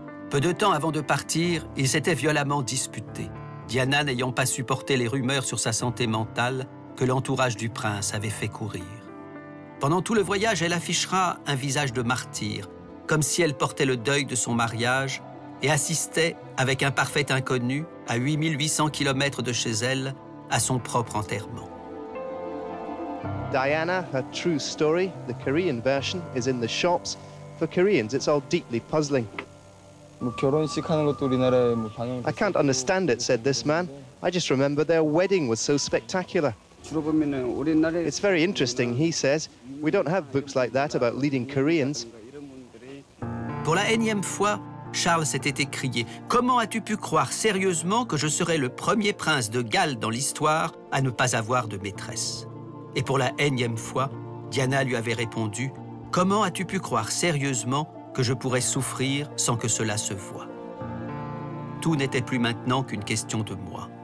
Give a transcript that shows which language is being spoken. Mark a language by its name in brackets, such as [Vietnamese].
[French] Peu de temps avant de partir, ils s'étaient violemment disputés, Diana n'ayant pas supporté les rumeurs sur sa santé mentale que l'entourage du prince avait fait courir. Pendant tout le voyage, elle affichera un visage de martyr, comme si elle portait le deuil de son mariage et assistait, avec un parfait inconnu, à 8800 km de chez elle, à son propre enterrement. [English] Diana, her true story, the Korean version, is in the shops. For Koreans, it's all deeply puzzling. I can't understand it, said this man. I just remember their wedding was so spectacular. It's very interesting, he says. We don't have books like that about leading Koreans. [French] Pour la énième fois, Charles s'était écrié « Comment as-tu pu croire sérieusement que je serais le premier prince de Galles dans l'histoire à ne pas avoir de maîtresse ?» Et pour la énième fois, Diana lui avait répondu « Comment as-tu pu croire sérieusement que je pourrais souffrir sans que cela se voie ?» Tout n'était plus maintenant qu'une question de moi.